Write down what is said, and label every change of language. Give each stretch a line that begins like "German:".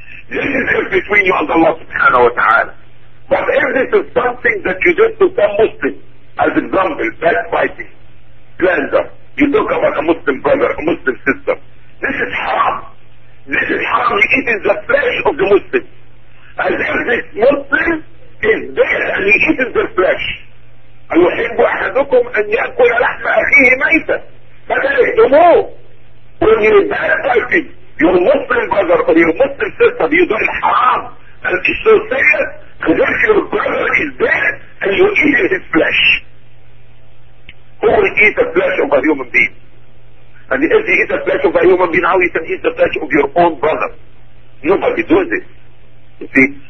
English: This is in between you and Allah subhanahu wa ta'ala. But if this is something that you did to some Muslim, as example, backbiting, slander, you talk about a Muslim brother, a Muslim sister. This is haram. This is haram. You eat in the flesh of the Muslim. As if this Muslim is dead and he eats in the flesh.
Arabic: أَيُحِبُّ أَحَدُكُمْ أَنْ يَأْكُلَ لَحْمَ أَخِيهِ مَيْتًا.
English: But I don't know. When you're backbiting your Muslim brother or your Muslim sister, you're doing haram. And it's so serious. Because if your brother is dead and you're eating his flesh, who will eat the flesh of a human being? And if you eat the flesh of a human being, how you can eat the flesh of your own brother? Nobody does this. You see?